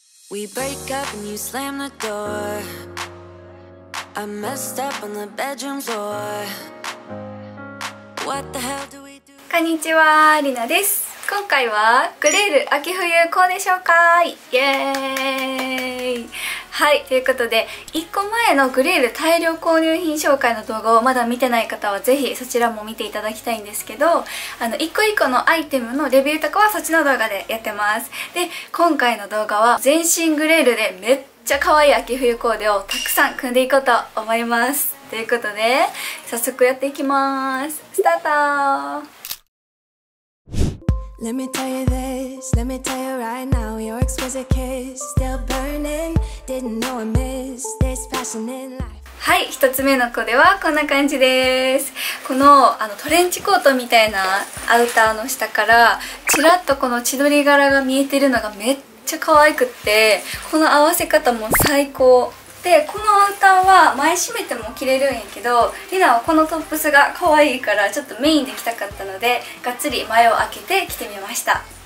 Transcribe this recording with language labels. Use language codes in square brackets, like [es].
[en] We break up and you slam the door. I messed up on the bedroom floor. What the hell do we do? [ja] こんにちは、りなです。今回はグレール秋冬コーデ紹介、イエーイ。はい、ということで1個前のグレール大量購入品紹介の動画をまだ見てない方はぜひそちらも見ていただきたいんですけど、1個1個のアイテムのレビューとかはそっちの動画でやってます。で、今回の動画は全身グレールでめっちゃ可愛い秋冬コーデをたくさん組んでいこうと思います。ということで早速やっていきます。スタート。 [en] Let me tell you this, let me tell you right now. Your exquisite kiss still burning. Didn't know I missed this passion in life. [ja] はい、一つ目のコーデはこんな感じです。この、トレンチコートみたいなアウターの下からちらっとこの千鳥柄が見えてるのがめっちゃ可愛くって、この合わせ方も最高で、このアウターは前閉めても着れるんやけど、リナはこのトップスが可愛いからちょっとメインで着たかったので、がっつり前を開けて着てみました。